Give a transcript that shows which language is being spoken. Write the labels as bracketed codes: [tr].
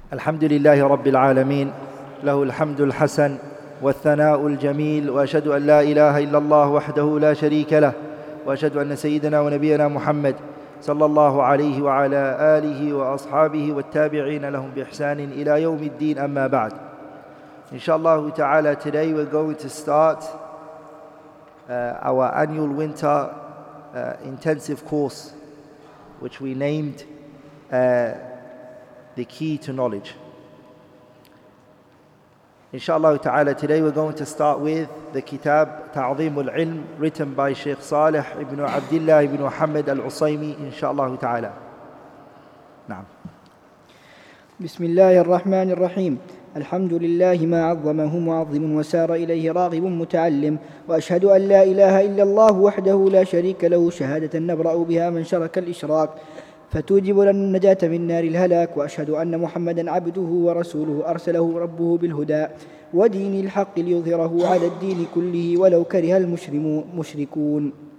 [ar] الحمد لله رب العالمين له الحمد الحسن والثناء الجميل وأشهد أن لا إله إلا الله وحده لا شريك له وأشهد أن سيدنا ونبينا محمد صلى الله عليه وعلى آله وأصحابه والتابعين لهم بإحسان إلى يوم الدين أما بعد إن شاء الله تعالى [en] today we're going to start our annual winter intensive course which we named the key to knowledge. Inshallah ta'ala, today we're going to start with the kitab Tadhim Al Ilm, written by Shaykh Saleh ibn Abdullah ibn Muhammad al-Usaymi, inshallah ta'ala. [ar] Naam. Bismillah ar-Rahman ar-Rahim. الحمد لله ما عظمه معظم وسار إليه راغب متعلم وأشهد أن لا إله إلا الله وحده لا شريك له شهادة نبرأ بها من شرك الإشراك فتوجب لنا النجاة من نار الهلاك وأشهد أن محمدا عبده ورسوله أرسله ربه بالهدى ودين الحق ليظهره على الدين كله ولو كره المشركون